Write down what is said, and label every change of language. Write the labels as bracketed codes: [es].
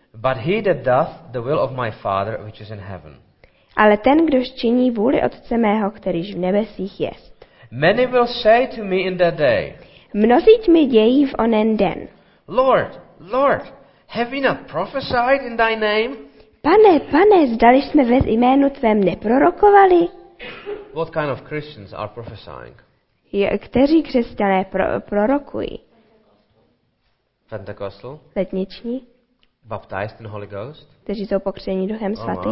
[en] But he that doth the will of my Father which is in heaven. [cs] Ale ten, kdož činí vůli Otce mého, kterýž v nebesích jest. [en] Many will say to me in that day. [cs] Mnozí mi dějí v onen den. [en] Lord, Lord, have we not prophesied in thy name? [cs] Pane, pane, zdali jsme ve jménu tvém neprorokovali? [en] What kind of Christians are prophesying? [cs] Kteří křesťané prorokují? [en] Pentecostal? [cs] Letniční? [en] Baptized in the Holy Ghost? [cs] Kteří jsou pokřtěni Duchem Svatým?